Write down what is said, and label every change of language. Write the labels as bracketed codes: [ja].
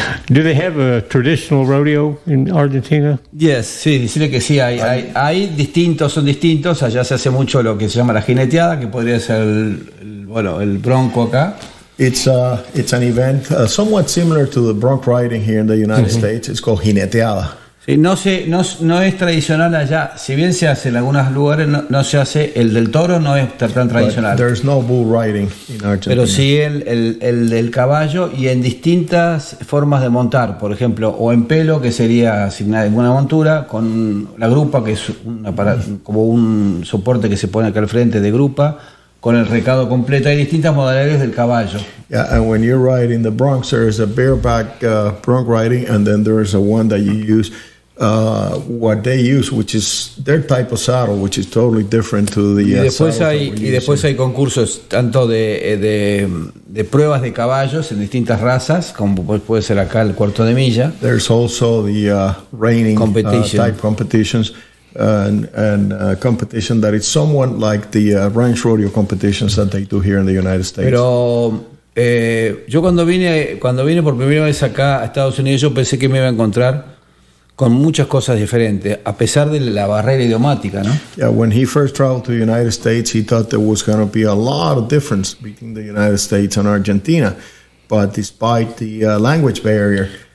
[en] Do they have a traditional rodeo in Argentina? [es] Yes, sí, decirle que sí, hay distintos, son distintos. Allá se hace mucho lo que se llama la jineteada, que podría ser el bronco acá. [en] It's an event somewhat similar to the bronc riding here in the United States. It's called jineteada. [es] Sí, no es tradicional allá. Si bien se hace en algunos lugares, no se hace el del toro, no es tan tradicional. [en] But there's no bull riding in Argentina. [es] Pero sí el del caballo y en distintas formas de montar, por ejemplo, o en pelo, que sería sin ninguna montura, con la grupa, que es como un soporte que se pone acá al frente de grupa, con el recado completo. Hay distintas modalidades del caballo. [en] Yeah, and when you're riding the bronc, there is a bareback bronc riding, and then there is a one that you use, what they use, which is their type of saddle, which is totally different to the saddle. [es] Y después hay concursos tanto de pruebas de caballos en distintas razas, como puede ser acá el cuarto de milla. [en] There's also the reining type competitions. And competition that is somewhat like the ranch rodeo competitions that they do here in the United States. [es] Pero yo cuando vine por primera vez acá a Estados Unidos, yo pensé que me iba a encontrar con muchas cosas diferentes, a pesar de la barrera idiomática, ¿no? [en] Yeah, when he first traveled to the United States, he thought there was going to be a lot of difference between the United States and Argentina, but despite the language barrier.